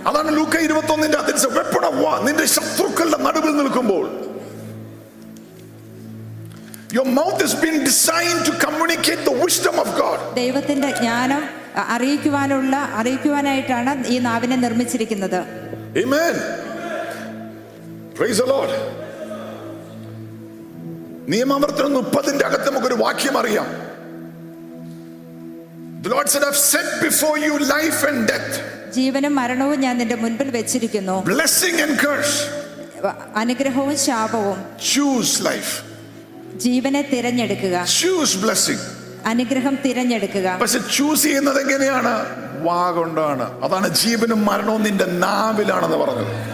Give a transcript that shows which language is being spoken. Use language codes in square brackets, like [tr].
[ml] അതാണ് ലൂക്ക 21-ന്റെ അതിൽ [en] a weapon of war. [ml] നിന്റെ ശത്രുക്കളുടെ നടുവിൽ നിൽക്കുമ്പോൾ [en] your mouth has been designed to communicate the wisdom of God. [ml] ദൈവത്തിന്റെ ജ്ഞാനം അറിയിക്കുവാനുള്ള അറിയിക്കുവാനായിട്ടാണ് ഈ നാവിനെ നിർമ്മിച്ചിരിക്കുന്നത്. [en] Amen. Praise the Lord. [ml] നിയമാവർത്തനം 30-ന്റെ അകത്ത് നമുക്ക് ഒരു വാക്യം അറിയാം. [en] The Lord said, I've set before you life and death. [ml] ജീവനും മരണവും ഞാൻ നിന്റെ മുൻപിൽ വെച്ചിരിക്കുന്നു. [en] Blessing and curse. [ml] അനുഗ്രഹവും ശാപവും. [en] Choose life. [ml] ജീവനെ തിരഞ്ഞെടുക്കുക. [en] Choose blessing. [ml] അനുഗ്രഹം തിരഞ്ഞെടുക്കുക. പക്ഷെ ചൂസ് ചെയ്യുന്നത് എങ്ങനെയാണ്? വാ കൊണ്ടാണ്. അതാണ് ജീവനും മരണവും നിന്റെ നാവിലാണെന്ന് പറഞ്ഞത്.